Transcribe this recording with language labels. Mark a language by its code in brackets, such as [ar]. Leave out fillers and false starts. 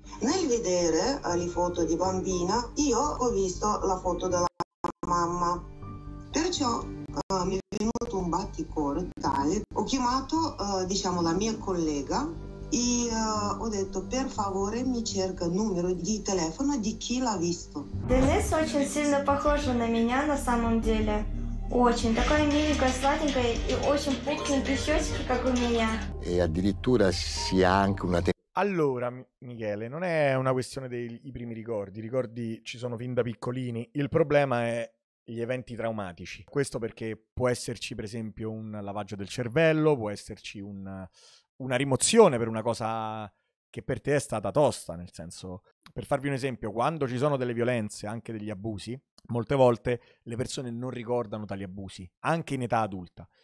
[it] Nel vedere le foto di bambina, io ho visto la foto della mamma. Perciò mi è venuto un batticuore tale, ho chiamato la mia collega e ho detto per favore mi cerca il numero di telefono di chi l'ha visto. Denise è molto [ru] сильно похожа на меня на самом деле. Очень такая миленькая, сладенькая и очень пухленькие щёчки, как у меня. [it] E addirittura si ha anche una Allora, Michele, non è una questione dei primi ricordi. I ricordi ci sono fin da piccolini. Il problema è gli eventi traumatici. Questo perché può esserci, per esempio, un lavaggio del cervello, può esserci una rimozione per una cosa che per te è stata tosta, nel senso, per farvi un esempio, quando ci sono delle violenze, anche degli abusi, molte volte le persone non ricordano tali abusi, anche in età adulta.